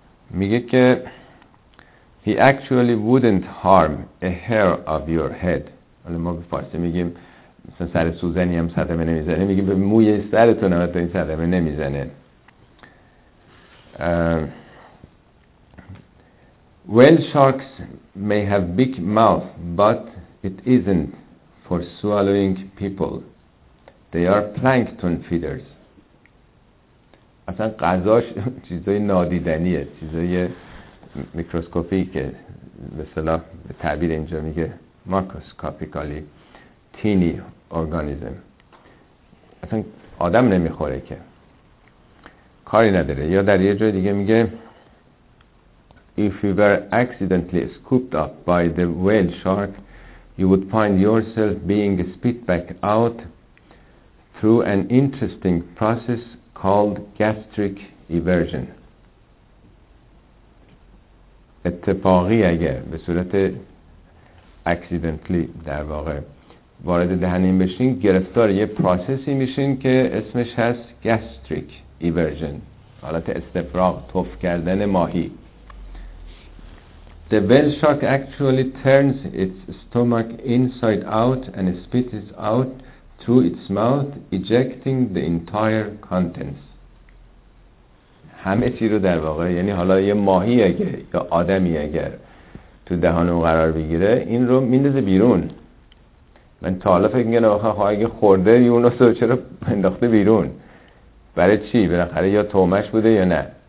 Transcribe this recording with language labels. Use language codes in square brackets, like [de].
[fa] میگه که [en] He actually wouldn't harm a hair of your head. [fa] ما به فارسی میگیم مثلا سر سوزنی هم صدمه نمیزنه، میگه به موی سرتون هم این صدمه نمیزنه. [en] Whale sharks may have big mouth but it isn't for swallowing people. They are plankton feeders. [fa] اصلا غذاش چیزای نادیدنیه، چیزای میکروسکوپی که به اصطلاح به تعبیر اینجا میگه ماکروسکوپیکالی تینی ارگانیزم، اصلا آدم نمیخوره که، کاری نداره. یا در یه جای دیگه میگه [en] If you were accidentally scooped up by the whale shark you would find yourself being spit back out through an interesting process called gastric eversion. [fa] اتفاقی اگه به صورت accidentally در واقع وارد دهنین بشین، گرفتار یه پروسسی میشین که اسمش هست گاستریک ایورژن، حالت استفراغ، تف کردن ماهی. [en] The whale shark actually turns its stomach inside out and spits it out through its mouth ejecting the entire contents. [fa] همه چی رو در واقع، یعنی حالا یه ماهی اگر یا آدمی اگر تو دهان اون قرار بگیره این رو میندازه بیرون. من تا حالا فکر میکنم آخه اگه خورده یونس رو چرا انداخته بیرون، برای چی؟ بالاخره یا تومش بوده یا نه.